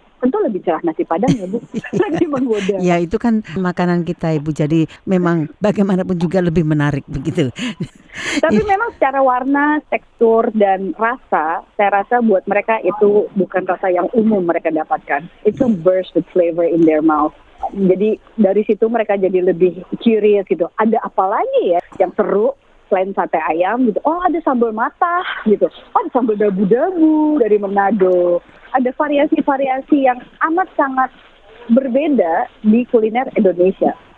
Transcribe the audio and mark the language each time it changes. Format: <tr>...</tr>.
<id>Tentu lebih cerah nasi Padang ya Bu, lagi menggoda. Ya itu kan makanan kita Ibu, jadi memang bagaimanapun juga lebih menarik begitu. Tapi memang secara warna, tekstur, dan rasa, saya rasa buat mereka itu bukan rasa yang umum mereka dapatkan.</id> <en>Itu burst the flavor in their mouth.</en> <id>Jadi dari situ mereka jadi lebih curious gitu, ada apa lagi ya yang seru? Selain sate ayam gitu, oh ada sambal matah gitu, oh ada sambal dabu-dabu dari Manado. Ada variasi-variasi yang amat sangat berbeda di kuliner Indonesia.</id>